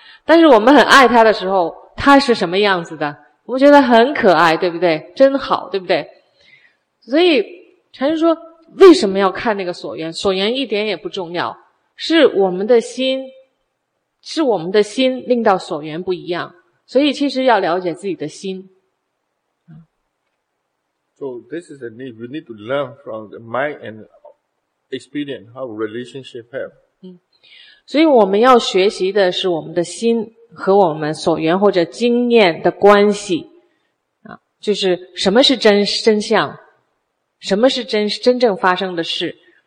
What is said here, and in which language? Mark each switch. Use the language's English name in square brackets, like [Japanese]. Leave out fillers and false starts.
[Chinese] 但是我们很爱他的时候，他是什么样子的？我们觉得很可爱，对不对？真好，对不对？所以禅师说，为什么要看那个所缘？所缘一点也不重要，是我们的心，是我们的心令到所缘不一样。所以其实要了解自己的心。 [English] So this is a need. We need to learn from the mind and experience how relationship have. [Chinese] 所以我们要学习的是我们的心和我们所缘或者经验的关系。就是什么是真相，什么是真正发生的事。